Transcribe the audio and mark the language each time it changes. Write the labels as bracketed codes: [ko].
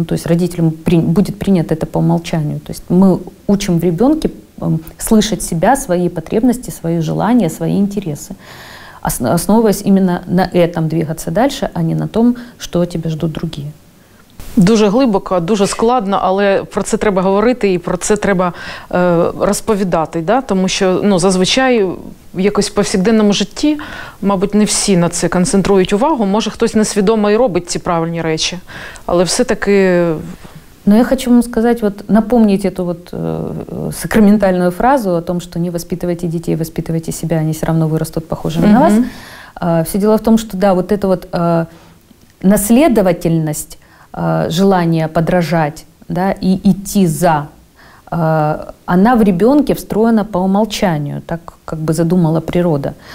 [ru] Ну, то есть родителям будет принято это по умолчанию. То есть мы учим в ребенке слышать себя, свои потребности, свои желания, свои интересы, основываясь именно на этом двигаться дальше, а не на том, что тебя ждут другие. [uk] Дуже глибоко, дуже складно, але про це треба говорити і про це треба розповідати, да? Тому що, ну, зазвичай якось в повсякденному житті, мабуть, не всі на це концентрують увагу, може хтось несвідомо і робить ці правильні речі, але все-таки... [ru] Но я хочу вам сказать, вот напомнить эту вот сакраментальную фразу о том, что не воспитывайте детей, воспитывайте себя, они все равно вырастут похожими на вас. Все дело в том, что да, вот эта вот наследовательность, желание подражать, да, и идти за, она в ребенке встроена по умолчанию, так как бы задумала природа.